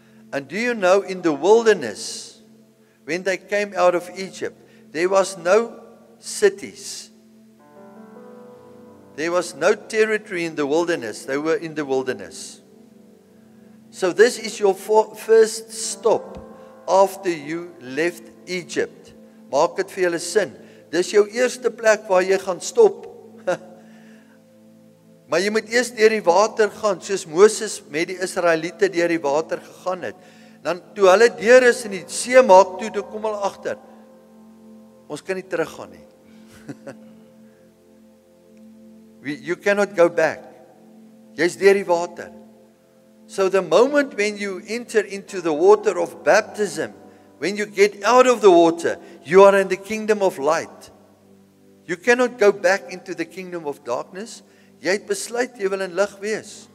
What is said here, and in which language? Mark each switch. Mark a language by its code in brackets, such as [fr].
[en] And do you know, in the wilderness, when they came out of Egypt, there was no cities. There was no territory in the wilderness. They were in the wilderness. So this is your first stop after you left Egypt. [af] Maak het vir julle sin. Dis jou eerste plek waar jy gaan stop. Maar jy moet eers deur die water gaan, soos Moses met die Israeliete deur die water gegaan het. Dan toe hulle deur is in die see maak toe, toe kom hulle agter. Ons kan nie teruggaan nie. [en] You cannot go back. [af] Jy's deur die water. [en] So the moment when you enter into the water of baptism, when you get out of the water, you are in the kingdom of light. You cannot go back into the kingdom of darkness. [af] Jy het besluit, jy wil in lig wees.